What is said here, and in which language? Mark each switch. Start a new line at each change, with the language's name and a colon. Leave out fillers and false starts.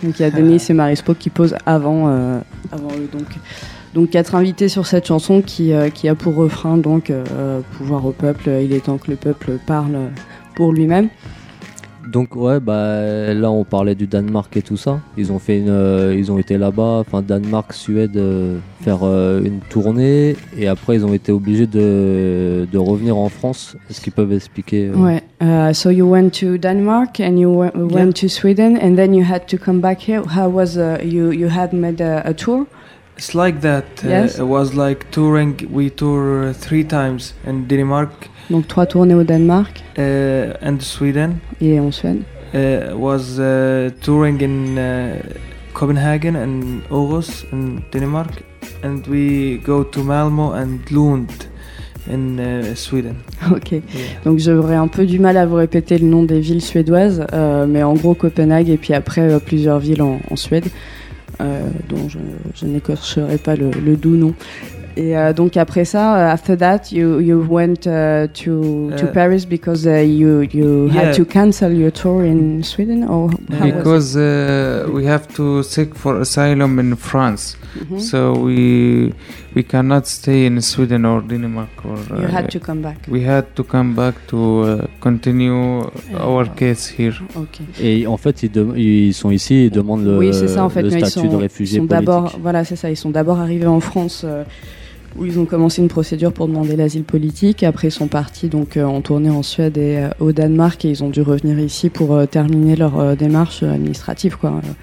French: Donc il y a Denis et Marispo qui posent avant eux. Donc quatre invités sur cette chanson qui a pour refrain donc pouvoir au peuple, il est temps que le peuple parle pour lui-même. Donc ouais, là on parlait du Danemark et tout ça. Ils ont fait ils ont été là-bas, enfin Danemark, Suède, faire une tournée et après ils ont été obligés de revenir en France. Est-ce qu'ils peuvent expliquer Ouais.
English: So you went to Denmark and you went to Sweden and then you had to come back here. How was you had made a tour? It's like that. Yes. It was like touring. We tour three times in Denmark.
French: Donc trois tournées au Danemark.
English: And Sweden.
French: Et en Suède.
English: Was touring in Copenhagen and Aarhus in Denmark, and we go to Malmo and Lund. In Sweden. Ok, yeah.
French: Donc j'aurais un peu du mal à vous répéter le nom des villes suédoises, mais en gros Copenhague et puis après plusieurs villes en Suède, dont je n'écorcherai pas le doux nom. Et donc après ça,
English: after that, you went to Paris because you yeah. had to cancel your tour in Sweden or because we have to seek for asylum in France, mm-hmm. so we cannot stay in Sweden or Denmark or you had to come back. We had to come back to continue our case here. Okay.
French: Et en fait, ils sont ici, ils demandent le, oui, c'est ça, en fait, le statut ils sont, de réfugié politique. D'abord, voilà, c'est ça. Ils sont d'abord arrivés en France. Où ils ont commencé une procédure pour demander l'asile politique. Après, ils sont partis donc, en tournée en Suède et au Danemark. Et ils ont dû revenir ici pour terminer leur démarche administrative. Quoi.